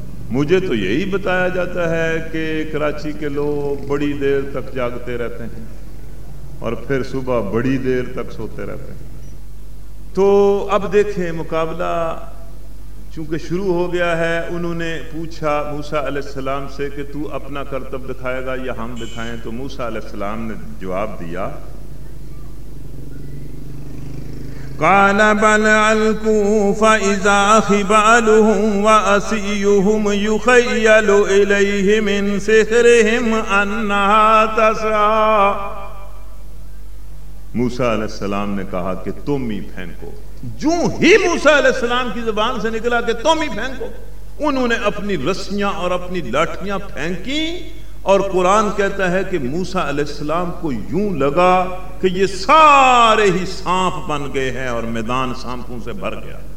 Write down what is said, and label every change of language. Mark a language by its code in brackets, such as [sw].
[ur] مجھے تو یہی بتایا جاتا ہے کہ کراچی کے لوگ بڑی دیر تک جاگتے رہتے ہیں اور پھر صبح بڑی دیر تک سوتے رہتے ہیں. تو اب دیکھیں مقابلہ چونکہ شروع ہو گیا ہے، انہوں نے پوچھا موسیٰ علیہ السلام سے کہ تو اپنا کرتب دکھائے گا یا ہم دکھائیں؟ تو موسیٰ علیہ السلام نے جواب دیا [ar] قال بل ألقوا فإذا خبالهم وأصيهم يخيل إليه من سحرهم أنها تسعى. [ur] موسیٰ علیہ السلام نے کہا کہ تم ہی پھینکو. جو ہی موسیٰ علیہ السلام کی زبان سے نکلا کہ تم ہی پھینکو، انہوں نے اپنی رسیاں اور اپنی لاٹھیاں پھینکی، اور قرآن کہتا ہے کہ موسیٰ علیہ السلام کو یوں لگا کہ یہ سارے ہی سانپ بن گئے ہیں اور میدان سانپوں سے بھر گیا.